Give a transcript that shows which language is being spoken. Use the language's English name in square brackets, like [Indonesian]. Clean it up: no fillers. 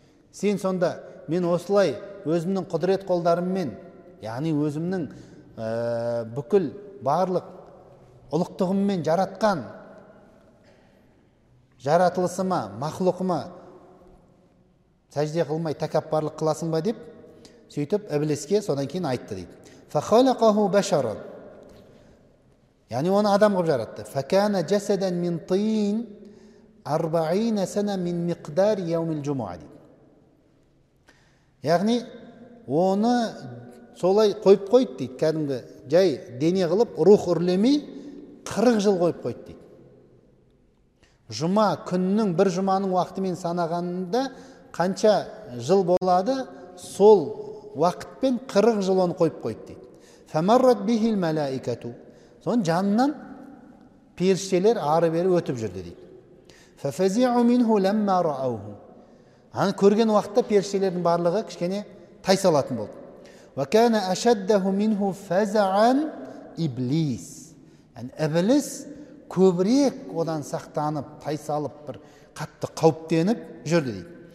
[Kazakh] Сен сонда мен осылай өзімнің құдірет қолдарыммен, яғни өзімнің бүкіл барлық ұлықтығыммен жаратқан жаратылысыма, махлуқыма сәжде қылмай тәкаппарлық қыласың ба деп сөйтіп Иблиске содан кейін айтты дейді. [Arabic] فَخَلَقَهُ بَشَرًا. [Kazakh] Яғни оны адам қып жаратты. [Arabic] فَكَانَ جَسَدًا مِنْ طِينٍ 40 سَنَةً مِنْ مِقْدَارِ يَوْمِ الْجُمُعَةِ [Kazakh] дейді. Яғни оны солай қойып қойды дейді. Кәдімгі жай дене қылып рух үрлемей 40 жыл қойып қойды дейді. Жұма күннің бір жұманың уақытымен санағанда қанша жыл болады, сол уақытпен 40 жыл оны қойып қойды дейді. [Arabic] Фамаррат бихил малаикату. [Kazakh] Сон жанынан періштелер ары-бері өтіп жүрді дейді. [Arabic] Фафазиу минху ламма раауху. [Kazakh] Ана көрген уақытта періштелердің барлығы кішкене тайсалатын болды. [Arabic] Ва кана ашаддаху минху фазаан иблис. [Kazakh] Иблис көбірек одан сақтанып, тайсалып, бір қатты қауіптеніп жүрді дейді.